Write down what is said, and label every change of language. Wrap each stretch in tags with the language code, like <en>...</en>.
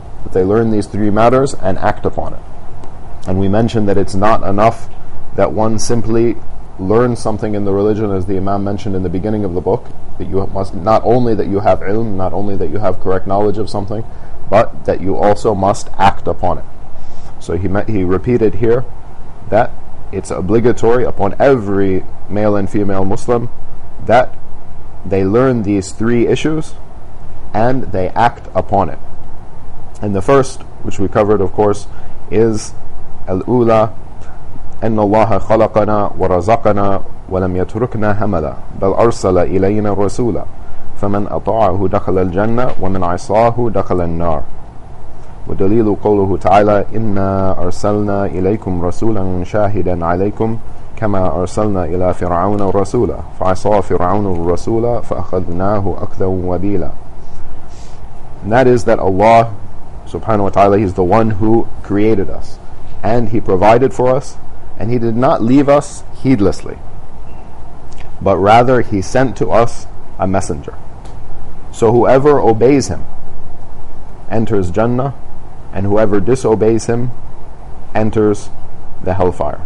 <en>That they learn these three matters and act upon it. And we mentioned that it's not enough that one simply learns something in the religion, as the Imam mentioned in the beginning of the book, that you must not only that you have ilm, not only that you have correct knowledge of something, but that you also must act upon it. So he repeated here that it's obligatory upon every male and female Muslim that they learn these three issues and they act upon it. And the first, which we covered, of course, is al-ula,</en> <ar>أن الله خلقنا ورزقنا ولم يتركنا هملا بل أرسل إلينا رسولا فمن أطاعه دخل الجنة ومن عصاه دخل النار. ودليل قوله تعالى إنا أرسلنا إليكم رسولا شاهدا عليكم كما أرسلنا إلى فرعون رسولا فعصى فرعون الرسول فأخذناه أخذا وبيلا.</ar> <en>That is that Allah subhanahu wa ta'ala, he's the one who created us and he provided for us, and he did not leave us heedlessly, but rather he sent to us a messenger. So whoever obeys him enters Jannah, and whoever disobeys him enters the hellfire.</en>